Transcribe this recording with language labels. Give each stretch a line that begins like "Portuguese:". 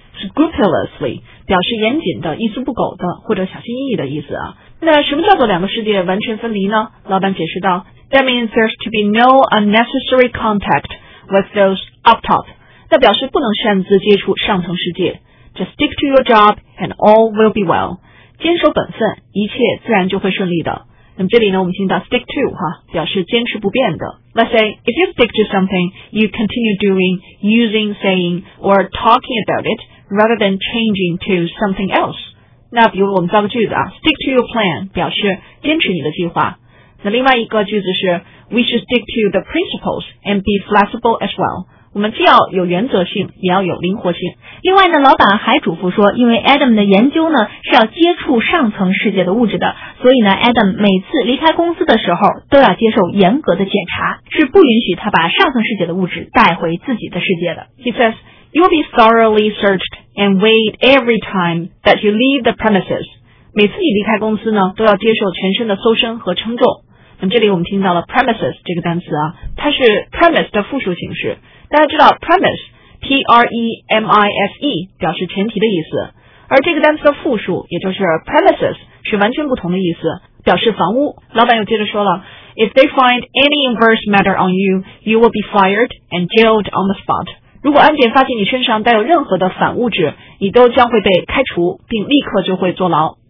Chinese: Scrupulously 表示严谨的、一丝不苟的或者小心翼翼的意思啊。那什么叫做两个世界完全分离呢？老板解释道
English: ，That means there's to be no unnecessary contact with those up top。
Chinese: 那表示不能擅自接触上层世界。
English: Just stick to your job and all will be well。
Chinese: 坚守本分，一切自然就会顺利的。那么这里呢，我们听到 stick to 哈，表示坚持不变的。
English: Let's say if you stick to something, you continue doing, using, saying, or talking about it rather than changing to something else.
Chinese: 那比如我们造个句子啊 ，
English: stick to your plan
Chinese: 表示坚持你的计划。那另外一个句子是
English: ，we should stick to the principles and be flexible as well.
Chinese: 我们既要有原则性，也要有灵活性。另外呢，老板还嘱咐说，因为 Adam 的研究呢是要接触上层世界的物质的，所以呢 ，Adam 每次离开公司的时候都要接受严格的检查，是不允许他把上层世界的物质带回自己的世界的。
English: He says, "You'll be thoroughly searched and weighed every time that you leave the premises."
Chinese: 每次你离开公司呢，都要接受全身的搜身和称重。那么这里我们听到了 premises 这个单词啊，它是 premise 的复数形式。大家知道 premise P-R-E-M-I-S-E 表示前提的意思，而这个单词的复数也就是 premises 是完全不同的意思，表示房屋。老板又接着说了，
English: If they find any inverse matter on you, you will be fired and jailed on the spot.
Chinese: 如果案件发现你身上带有任何的反物质，你都将会被开除，并立刻就会坐牢。